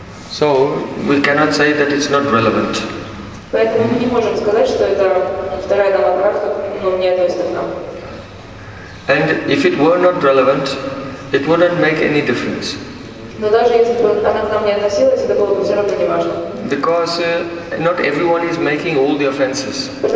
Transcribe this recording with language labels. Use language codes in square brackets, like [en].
[en] So we cannot say that it's not relevant. [ru] Поэтому мы не можем сказать, что это вторая намаправка, но не относится к нам. [en] And if it were not relevant, it wouldn't make any difference. [ru] Но даже если бы она к нам не относилась, это было бы все равно не важно. [en] Because not everyone is making all the offenses.